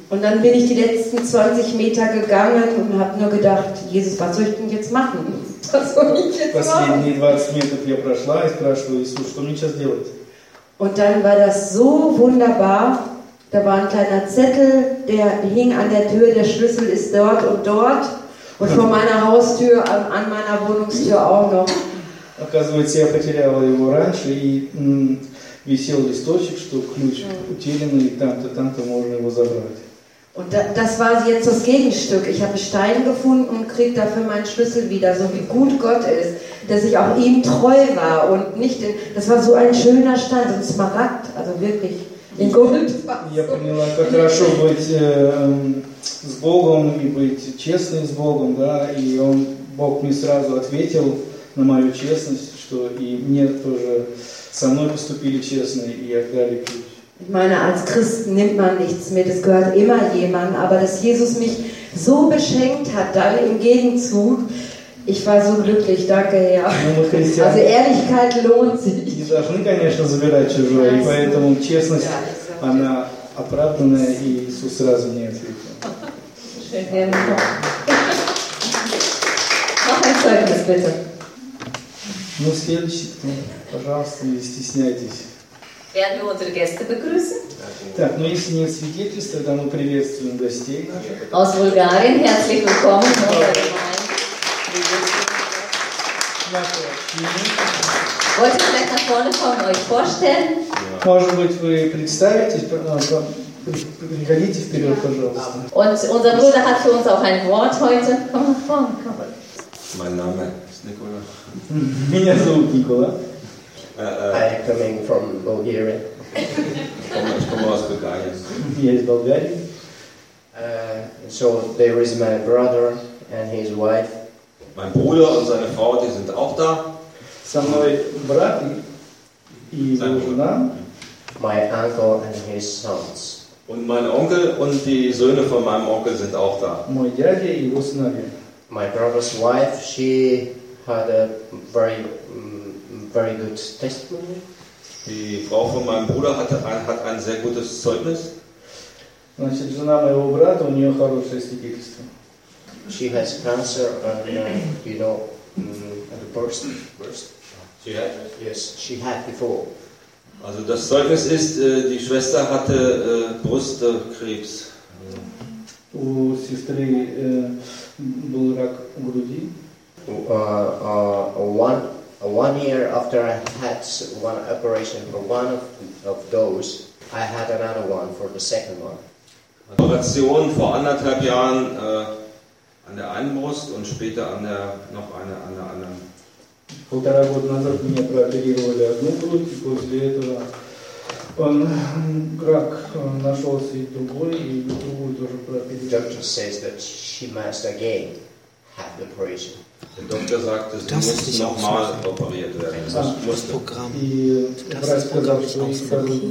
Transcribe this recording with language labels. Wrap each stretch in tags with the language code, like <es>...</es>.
<de>Und dann bin ich die letzten 20 Meter gegangen und habe nur gedacht, Jesus, was soll ich denn jetzt machen? Was soll ich jetzt machen?</de> <ru>Последние 20 метров я прошла и спрашиваю Иисус, что мне сейчас делать?</ru> <de>Und dann war das so wunderbar. Da war ein kleiner Zettel, der hing an der Tür. Der Schlüssel ist dort und dort. Und vor meiner Haustür, an meiner Wohnungstür auch noch.</de> <ru>Оказывается, я потеряла его раньше, и висел листочек, что ключ утерян, и там-то можно его забрать.</ru> <de>Und das war jetzt das Gegenstück. Ich habe Stein gefunden und krieg dafür meinen Schlüssel wieder. So wie gut Gott ist, dass ich auch ihm treu war und nicht in. Das war so ein schöner Stein, so ein Smaragd, also wirklich in Gold.</de> <ru>Я поняла, как хорошо быть с Богом и быть честным с Богом, да? И он, Бог мне сразу ответил на мою честность, что и мне тоже со мной поступили честно и отдали ключ.</ru> <de>Ich meine, als Christ nimmt man nichts mit, es gehört immer jemand, aber dass Jesus mich so beschenkt hat, dann im Gegenzug, ich war so glücklich, danke Herr. Also Ehrlichkeit lohnt sich.</de> <ru>Die должны, конечно, забирать чужое, и поэтому честность, она оправданная, и Иисус сразу не ответил.</ru> <de>Noch ein Zeugnis, bitte.</de> <ru>Ну, следующий, кто, пожалуйста, не стесняйтесь.</ru> <de>Werden wir unsere Gäste begrüßen?</de> <ru>Так, ну если нет свидетельств, тогда мы приветствуем гостей наших.</ru> <de>Aus Bulgarien, herzlich willkommen. Wollt ihr vielleicht nach vorne kommen, euch vorstellen?</de> <ru>Может быть, вы представитесь, приходите вперед, пожалуйста.</ru> <de>Und unser Bruder hat für uns auch ein Wort heute. Komm nach vorne, komm. Mein Name ist Nikola.</de> <ru>Меня зовут Никола.</ru> <en>I am coming from Bulgaria. Yes, Bulgaria. So there is my brother and his wife.</en> <de>Mein Bruder und seine Frau, die sind auch da.</de> <ru>Со мной брат и его жена.</ru> <en>My uncle and his sons.</en> <de>Und mein Onkel und die Söhne von meinem Onkel sind auch da.</de> <ru>Мой дядя и его сыновья.</ru> <en>My brother's wife, she had a very very good testimony.</en> <de>Die Frau von meinem Bruder hat ein sehr gutes Zeugnis.</de> <ru>Значит, жена моего брата, у нее хорошее свидетельство.</ru> <en>She has cancer and at the breast. She had? Yes, she had before.</en> <de>Also das Zeugnis ist, die Schwester hatte Brustkrebs.</de> <ru>У сестры был рак груди.</ru> <en>One year after I had one operation for one of those, I had another one for the second one.</en> <de>Operation vor anderthalb Jahren an der einen Brust und später noch eine an der anderen.</de> <ru>Полтора года назад меня прооперировали одну грудь, и после этого он рак нашелся и другой, и другую тоже прооперировали.</ru> <en>Doctor says that she must again have the operation.</en> <de>Der Doktor sagte, sie muss nochmal operiert werden. Das Programm. Das Programm ist ausgeführt.</de>